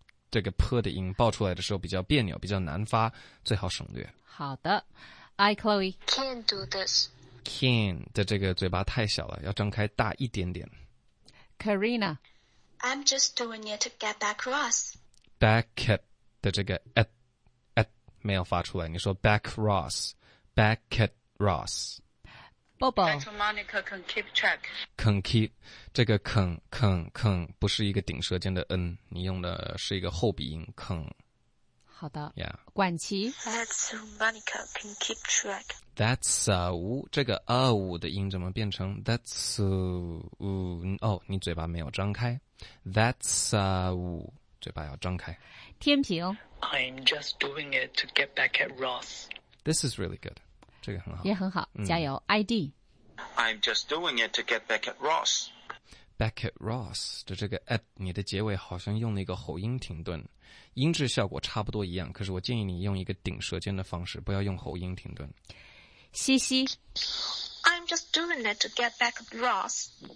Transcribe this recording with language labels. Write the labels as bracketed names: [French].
[Chinese] 这个破的音爆出来的时候比较别扭，比较难发，最好省略。好的 ，I Chloe [English] can do this. [Chinese] Can 的这个嘴巴太小了，要张开大一点点。 [English] Karina, I'm just doing it to get back Ross. Back at 的这个 at [Chinese] 没有发出来， [English] 你说 back Ross, back at Ross. Bobo, that Monica can keep track. Can keep. [Chinese] 这个肯不是一个顶舌尖的 N， 你用的是一个后鼻音肯。好的。 [English] Yeah. [Chinese] 管齐。 [English] That's so Monica can keep track. [Chinese] That's so, 这个 O 的音怎么变成 That's so, 你嘴巴没有张开。 That's so, 嘴巴要张开。天平。 [English] I'm just doing it to get back at Ross. This is really good. [Chinese] 这个很好。也很好，加油。ID。 [English] I'm just doing it to get back at Ross. [Chinese] Back at Ross 的这个 at 你的结尾好像用了一个喉音停顿，音质效果差不多一样，可是我建议你用一个顶舌尖的方式，不要用喉音停顿。西西 [English] I'm just doing it to get back at Ross.